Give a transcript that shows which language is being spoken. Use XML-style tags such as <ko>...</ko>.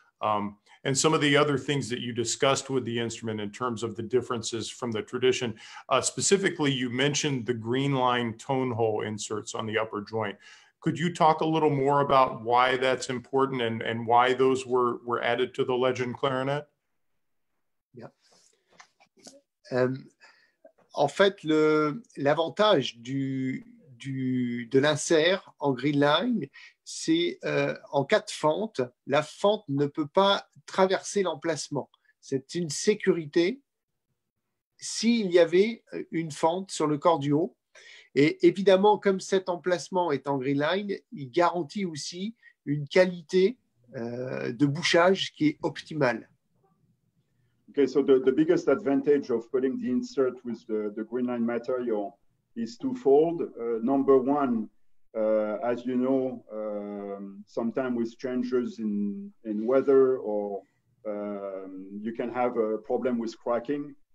<en>And some of the other things that you discussed with the instrument in terms of the differences from the tradition. Specifically, you mentioned the green line tone hole inserts on the upper joint. Could you talk a little more about why that's important and why those were added to the Lejeune clarinet? Yeah.</en> <fr>En fait, l'avantage de l'insert en green line, c'est en cas de fente, la fente ne peut pas traverser l'emplacement. C'est une sécurité s'il y avait une fente sur le corps du haut. Et évidemment, comme cet emplacement est en green line, il garantit aussi une qualité de bouchage qui est optimale.</fr> <en>Okay, so the biggest advantage of putting the insert with the green line material is twofold. Number one, As you know, sometimes with changes in weather, or you can have a problem with cracking.</en>